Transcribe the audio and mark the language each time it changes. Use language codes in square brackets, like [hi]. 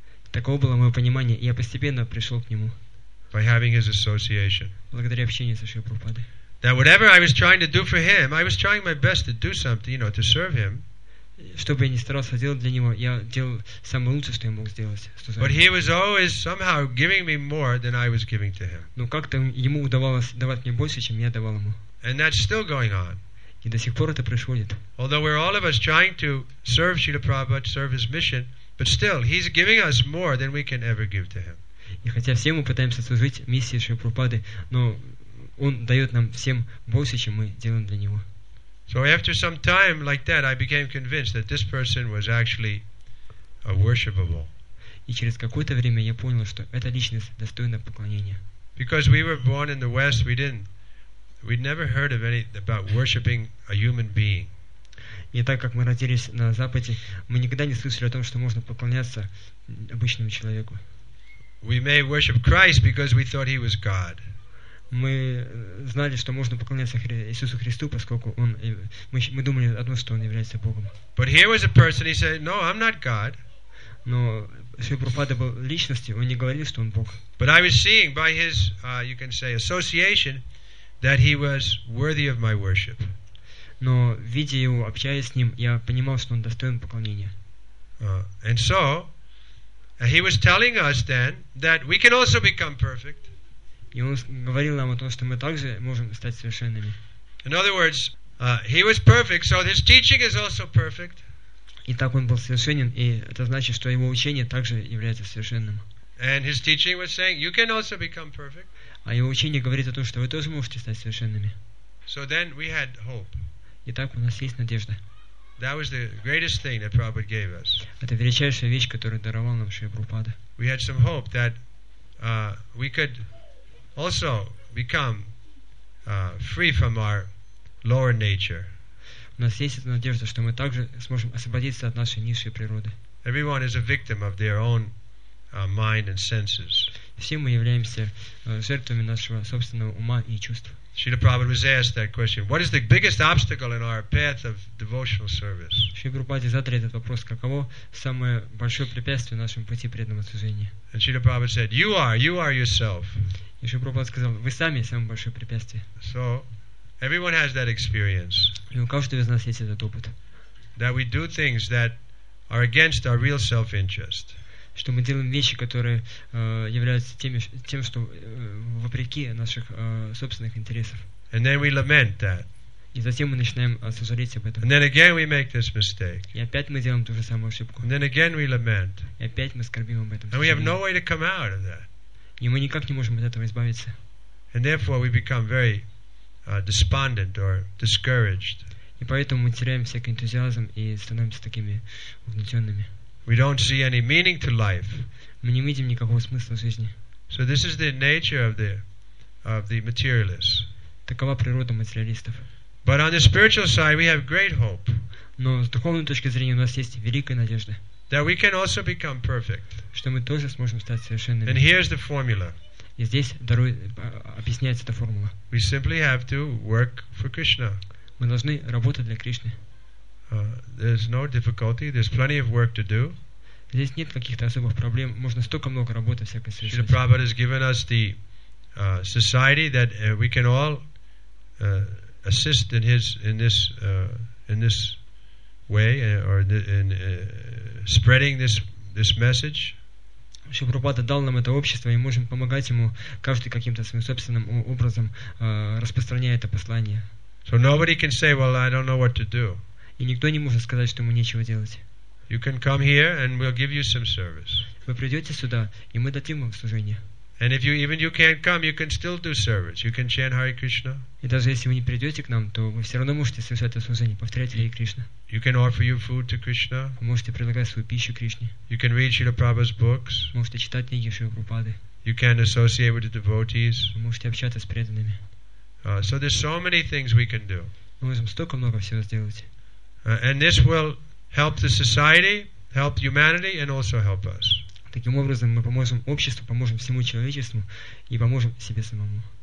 [ru] Таково было мое понимание, и я постепенно пришел к нему. [en] By having his association. [ru] Благодаря общению со Шрилой Прабхупадой. [en] That whatever I was trying to do for him, I was trying my best to do something, you know, to serve him. [ru] Что бы я ни старался делать для него, я делал самое лучшее, что я мог сделать. [en] But he was always somehow giving me more than I was giving to him. [ru] Но как-то ему удавалось давать мне больше, чем я давал ему. [en] And that's still going on. [ru] И до сих пор это происходит. [en] Although we're all of us trying to serve Srila Prabhupada, serve his mission, but still, he's giving us more than we can ever give to him. [ru] И хотя все мы пытаемся служить миссии Шрилы Прабхупады, но он дает нам всем больше, чем мы делаем для него. [en] So after some time like that, I became convinced that this person was actually a worshipable. [ru] И через какое-то время я понял, что эта личность достойна поклонения. [en] Because we were born in the West, we'd never heard of any about worshiping a human being. [ru] И так как мы родились на Западе, мы никогда не слышали о том, что можно поклоняться обычному человеку. [en] We may worship Christ because we thought he was God. [ru] Мы знали, что можно поклоняться Иисусу Христу, поскольку он, мы думали одно, что он является Богом. [en] But here was a person. He said, "No, I'm not God." [ru] Но Шрила Прабхупада был личностью. Он не говорил, что он Бог. [en] But I was seeing by his, you can say, association, that he was worthy of my worship. [ru] Но видя его, общаясь с ним, я понимал, что он достоин поклонения. [en] And so he was telling us then that we can also become perfect. [ru] И он говорил нам о том, что мы также можем стать совершенными. [en] In other words, he was perfect, so his teaching is also perfect. [ru] И так он был совершенен, и это значит, что его учение также является совершенным. [en] And his teaching was saying, you can also become perfect. [ru] А его учение говорит о том, что вы тоже можете стать совершенными. [en] So then we had hope. [ru] И так у нас есть надежда. [en] That was the greatest thing that Prabhupada gave us. [ru] Это величайшая вещь, которую даровал нам Шрила Прабхупада. [en] We had some hope that we could also become free from our lower nature. [ru] У нас есть эта надежда, что мы также сможем освободиться от нашей низшей природы. [en] Everyone is a victim of their own mind and senses. [ru] Все мы являемся жертвами нашего собственного ума и чувств. [en] Srila Prabhupada was asked that question. What is the biggest obstacle in our path of devotional service? [ru] Srila Prabhupada задал этот вопрос: каково самое большое препятствие в нашем пути преданного служения? [en] And Srila Prabhupada said, "You are yourself." [ru] И Шрила Прабхупада сказал: вы сами самое большое препятствие. [en] So, everyone has that experience. [ru] И у каждого из нас есть этот опыт. [en] That we do things that are against our real self-interest. [ru] Что мы делаем вещи, которые являются тем, что вопреки наших собственных интересов. [en] And then we lament that. [ru] И затем мы начинаем сожалеть об этом. [en] And then again we make this mistake. [ru] И опять мы делаем ту же самую ошибку. [en] And then again we lament. [ru] И опять мы скорбим об этом. [en] And we have no way to come out of that. [ru] И мы никак не можем от этого избавиться. [en] And therefore we become very despondent or discouraged. [ru] И поэтому мы теряем всякий энтузиазм и становимся такими угнетенными. [en] We don't see any meaning to life. [ru] Мы не видим никакого смысла в жизни. [en] So this is the nature of the materialists. [ru] Такова природа материалистов. [en] But on the spiritual side, we have great hope. [ru] Но с духовной точки зрения у нас есть великая надежда. [en] That we can also become perfect. [ru] Что мы тоже сможем стать совершенными. [en] And here's the formula. [ru] И здесь объясняется эта формула. [en] We simply have to work for Krishna. [ru] Мы должны работать для Кришны. [en] There's no difficulty. There's plenty of work to do. [ru] Здесь нет каких-то особых проблем. Можно столько много работы всякой совершать. [en] Шрила Прабхупада has given us the society that we can all assist in his in this way or in spreading this message. [ru] Шрила Прабхупада дал нам это общество, и можем помогать ему каждый каким-то своим собственным образом распространяя это послание. [en] So nobody can say, "Well, I don't know what to do." [ru] И никто не может сказать, что ему нечего делать. [en] You can come here, and we'll give you some service. [ru] Вы придете сюда, и мы дадим вам служение. [en] And if you even you can't come, you can still do service. You can chant Hare Krishna. [ru] И даже если вы не придете к нам, то вы все равно можете совершать это служение, повторять Hare Krishna. [en] You can offer your food to Krishna. [ru] Вы можете предлагать свою пищу Кришне. [en] You can read Srila Prabhupada's books. [ru] Вы можете читать книги Шрилы Прабхупады. [en] You can associate with the devotees. [ru] Вы можете общаться с преданными. [en] So there's so many things we can do. [ru] Мы можем столько много всего сделать. [en] And this will help the society, help humanity, and also help us. [ru] Таким образом, мы поможем обществу, поможем всему человечеству и поможем себе самому.